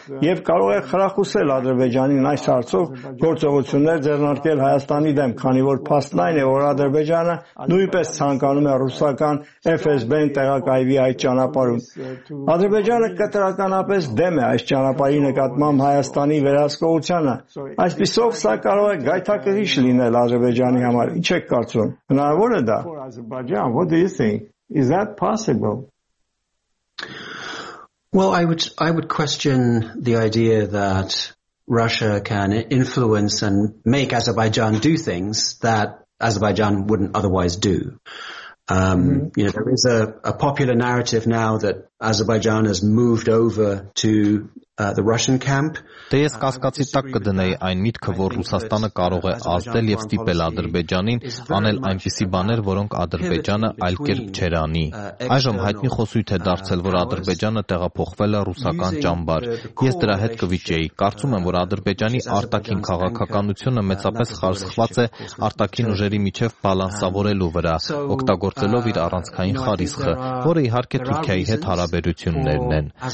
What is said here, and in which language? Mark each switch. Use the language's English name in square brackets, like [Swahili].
[Armenian] և կարող է խրախուսել Ադրբեջանին այս հարցով գործողություններ ձեռնարկել Հայաստանի դեմ, քանի որ փաստն այն է, որ Ադրբեջանը նույնպես ցանկանում է ռուսական FSB-ն տեղակայվի այդ ճանապարհում։ Ադրբեջանը կտրականապես դեմ է այս ճանապարհի նկատմամբ Հայաստանի վերահսկողությանը, այսպիսով սա կարող է գայթակղիչ լինել Ադրբեջանի համար։ Ինչ եք կարծում, հնարավոր է դա։ [English] What do you think? Is that possible? Well, I would question the idea that Russia can influence and make Azerbaijan do things that Azerbaijan wouldn't otherwise do. You know, there is a popular narrative now that Azerbaijan has moved over to the Russian camp. [Armenian] Դե ես կասկածի տակ կդնեի այն միտքը, որ Ռուսաստանը կարող է ազդել եւ ստիպել Ադրբեջանին անել այնպիսի բաներ, որոնք Ադրբեջանը այլ կերպ չեր անի։ Այժմ հայտնի խոսույթ է դարձել, որ Ադրբեջանը տեղափոխվել է ռուսական ճամբար։ Ես դրա հետ կվիճեի։ Կարծում եմ, որ Ադրբեջանի արտաքին քաղաքականությունը մեծապես խարսխված է արտաքին ուժերի միջև բալանսավորելու վրա, օգտագործելով իր առանցքային խարիսխը, որը իհարկե Թուրքիայի հետ հարաբերություններն են։